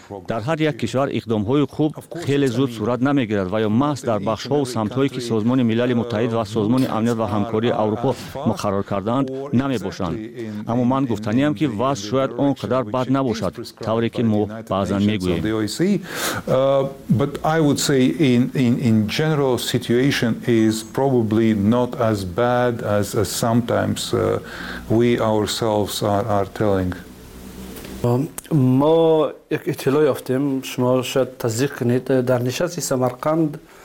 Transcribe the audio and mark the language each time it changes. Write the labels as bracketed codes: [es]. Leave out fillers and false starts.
[fa] در هر یک کشور اقدام های خوب خیلی زود صورت نمی گیرد و یا محض در بخش ها و سمت هایی که سازمان ملل متحد و سازمان امنیت و همکاری اروپا مقرر کردند نمی باشند. اما من گفتنی ام که وضع شاید آنقدر بد نباشد، طوری که ما بعضا می گوییم. [en] But I would say in general situation is probably not as bad as sometimes we ourselves are telling. [fa] ما یک اطلاع یافتیم، شما شاید تصدیق کنید، در نشست سمرقند